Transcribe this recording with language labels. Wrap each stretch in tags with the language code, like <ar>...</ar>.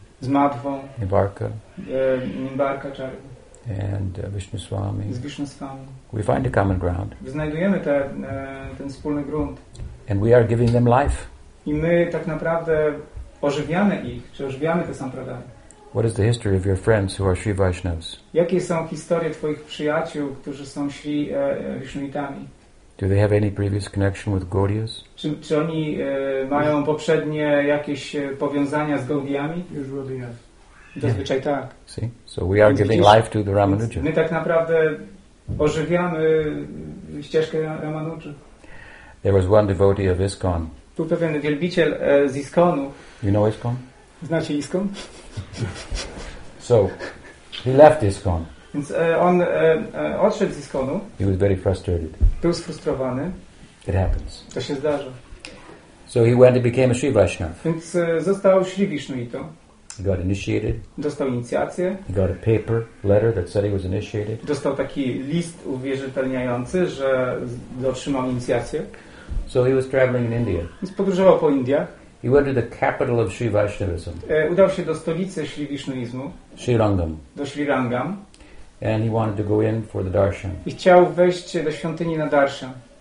<pl>Z Madhvą. Nimbarka. Nimbarka Charya.</pl> <en>And Vishnuswami.</en> <pl>Z Vishnuswami.</pl> <en>We find a common ground.</en> <pl>My znajdujemy ten wspólny grunt.</pl> <en>And we are giving them life.</en> <pl>I my tak naprawdę ożywiamy ich, czy ożywiamy te sampradaje.</pl> <en>What is the history of your friends who are Sri Vaishnavas?</en> <pl>Jakie są historie twoich przyjaciół, którzy są Sri Vishnuitami?</pl> <en>Do they have any previous connection with Gaudiyas?</en> <pl>Czy oni mają poprzednie jakieś powiązania z Gaudiami?</pl> <en>Usually yes.</en> <pl>Zazwyczaj yeah. Tak.</pl> <en>See? So we are giving life to the Ramanuja.</en> <pl>My tak naprawdę ożywiamy ścieżkę Ramanuja.</pl> <en>There was one devotee of ISKCON.</en> <pl>Tu pewien wielbiciel z ISKCON-u.</pl> <en>You know ISKCON?</en> <pl>Znacie ISKCON?</pl> <en>So, he left ISKCON.</en> <pl>Więc on odszedł z ISKCON-u.</pl> <en>He was very frustrated.</en> <pl>Był sfrustrowany.</pl> <en>It happens.</en> <pl>To się zdarza.</pl> <en>So he went and became a Sri Vaishnav.</en> <pl>Więc został Sri Vishnuito.</pl> <en>He got initiated.</en> <pl>Dostał inicjację.</pl> <en>He got a paper, letter that said he was initiated.</en> <pl>Dostał taki list uwierzytelniający, że otrzymał inicjację.</pl> <en>So he was traveling in India.</en> <pl>Więc podróżował po Indiach.</pl> <en>He went to the capital of Sri Vaishnavism.</en> <pl>Udał się do stolicy Sri Vishnuizmu.</pl> <en>Srirangam.</en> <pl>Do Srirangam.</pl> <en>And he wanted to go in for the darshan.</en> <pl>I chciał wejść do świątyni na darshan.</pl>